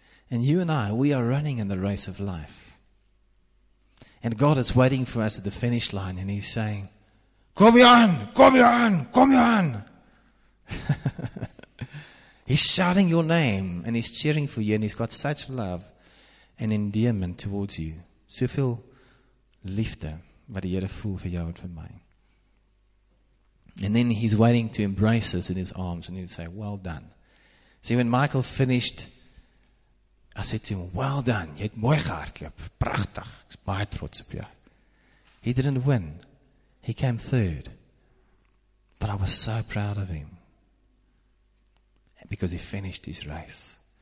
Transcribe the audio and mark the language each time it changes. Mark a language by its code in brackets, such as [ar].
[en] And you and I, we are running in the race of life. And God is waiting for us at the finish line, and He's saying, "Come on, come on, come on." He's shouting your name, and He's cheering for you, and He's got such love and endearment towards you. So feel [af] liefde, wat die Here voel vir jou en vir my. [en] And then He's waiting to embrace us in His arms, and He'd say, "Well done." See, when Michael finished, I said to him, "Well done, [af] jy het mooi gehardloop, prachtig, ek's baie trots op jou." [en] He didn't win, he came third, but I was so proud of him, because he finished his race.